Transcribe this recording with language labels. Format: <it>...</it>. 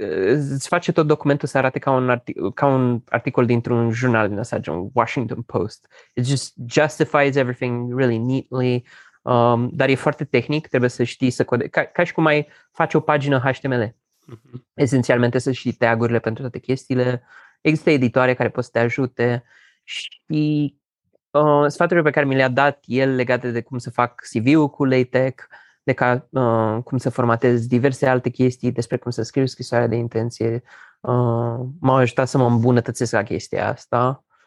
<ro>îți face tot documentul să arate ca un, ca un articol dintr-un jurnal din ăsta, un Washington Post.</ro> <en>It just justifies everything really neatly.</en> <ro>Dar e foarte tehnic, trebuie să știi să codezi. Ca și cum ai face o pagină HTML. Esențialmente să știi tag-urile pentru toate chestiile. Există editoare care pot să te ajute. Și sfaturile pe care mi le-a dat el legate de cum să fac CV-ul cu LaTeX, de ca, cum să formatez diverse alte chestii, despre cum să scriu scrisoarea de intenție, m-au ajutat să mă îmbunătățesc la chestia asta.</ro>